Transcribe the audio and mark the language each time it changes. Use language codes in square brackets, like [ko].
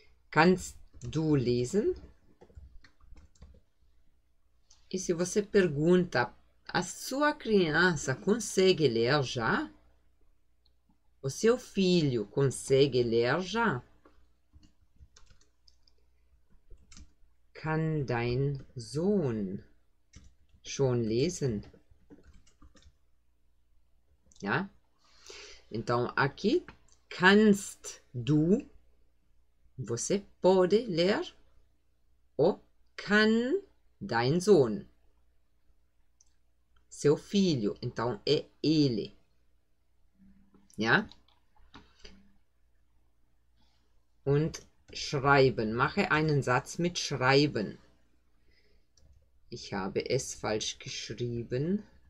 [de] Kannst du lesen? [pt] E se você pergunta, a sua criança consegue ler já? O seu filho consegue ler já? [de] Kann dein Sohn schon lesen? Ja? [pt] Então, aqui, [de] kannst du, [pt] você pode ler, ou [de] kann dein Sohn, [pt] seu filho, então é ele, já? [de] Und schreiben, mache einen Satz mit schreiben. Ich habe es falsch geschrieben.